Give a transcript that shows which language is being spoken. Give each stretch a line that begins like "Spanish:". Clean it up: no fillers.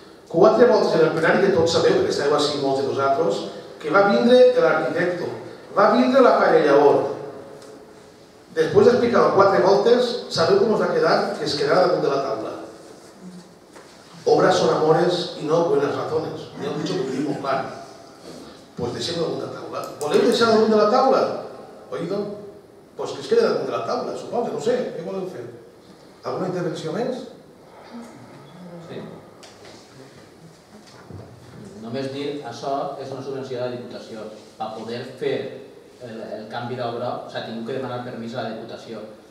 Catalan: Quatre voltes en el plenari, que tots sabeu, perquè esteu així molts de vosaltres, que va vindre l'arquitecte, va vindre l'aparellador. Després d'explicar-ho quatre voltes, sabeu com us ha quedat que es quedarà damunt de la taula.
Spanish: Obras son amores y no buenas razones.
Catalan: Ja heu dit que ho tenim molt clar. Doncs deixem-ho damunt de la taula. Voleu deixar-ho damunt de la taula? Oído? Doncs que es quedi damunt de la taula, suposo. No sé, què voleu fer? Alguna intervenció més? Sí. Només dir, això és una subvenció de Diputació. Per poder fer el canvi d'obra, o sigui, tinc que demanar permís a la Diputació.